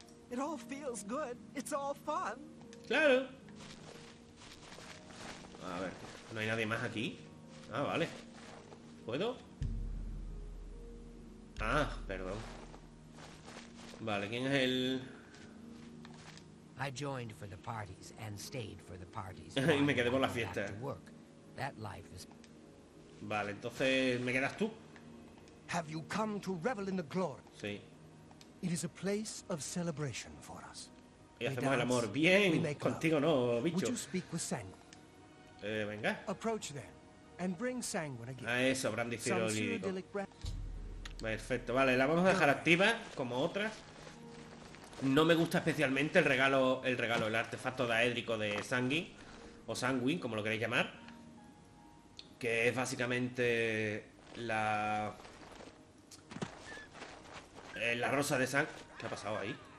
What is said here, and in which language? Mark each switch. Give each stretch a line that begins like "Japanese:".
English: It all feels good. It's all fun.
Spanish: ¡Claro! A ver, ¿no hay nadie más aquí? Ah, vale. ¿Puedo? Ah, perdón. Vale, ¿quién es el...?
English: I joined for the parties and stayed for the parties.
Spanish: Y me quedé por la fiesta.
English: That life is...
Spanish: Vale, entonces me quedas tú.
English: Have you come to revel in the glory?
Spanish: Sí.
English: It is a place of celebration for us.
Spanish: Y hacemos el amor bien, contigo no, bicho.
English: Would you speak with Sanguine?
Spanish: Venga.
English: Approach then and bring Sanguine again.
Spanish: Ah, eso, brandy cirolídico. Perfecto, vale, la vamos a dejar activa como otra. No me gusta especialmente el regalo, el artefacto daédrico de Sanguine o Sanguine, como lo queréis llamar, que es básicamente la rosa de sangre. ¿Qué ha pasado ahí?